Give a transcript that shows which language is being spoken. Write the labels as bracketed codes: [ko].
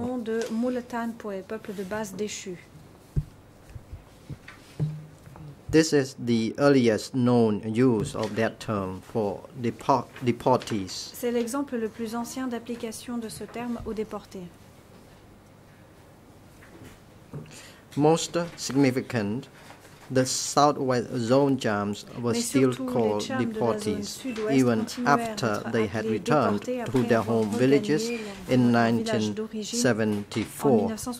[fr] Le nom de Mulatan Poe, peuple de base déchu. [en] This is the earliest known use of that term for deportees. [fr] C'est l'exemple le plus ancien d'application de ce terme aux déportés. [en] Most significant, the southwest zone jams were still called deportees even after they had returned to their home villages in 1974.